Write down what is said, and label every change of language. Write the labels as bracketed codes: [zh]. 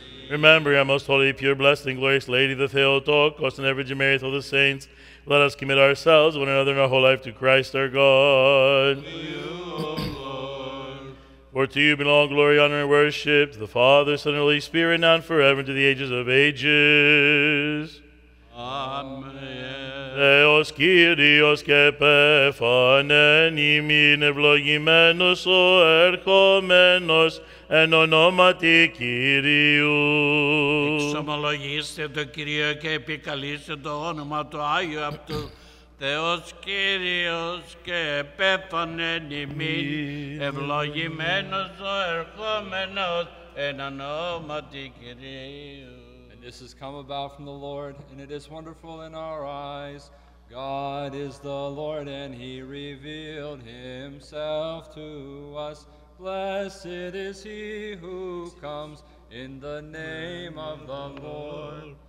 [en] Remember, our most holy, pure, blessed, and glorious Lady, the Theotokos, and the Virgin Mary, all the saints, let us commit ourselves, one another, and our whole life to Christ our God. For to you belong glory, honor, and worship, to the Father, Son, and Holy Spirit, now and forever, and to the ages of ages. Amen. [el] Theos Kyrios ke pephanen imin ευλογημένος ο ερχομένος εν ονόματι Κυρίου. Εξομολογήστε το Κυρίο και επικαλείστε το όνομα του Άγιου Αυτού. Θεός Κύριος και επέφανεν ημίν, ευλογημένος ο ερχόμενος εν ονόματι Κυρίου. [en] And this has come about from the Lord, and it is wonderful in our eyes. God is the Lord, and he revealed himself to us. Blessed is he who comes in the name of the Lord.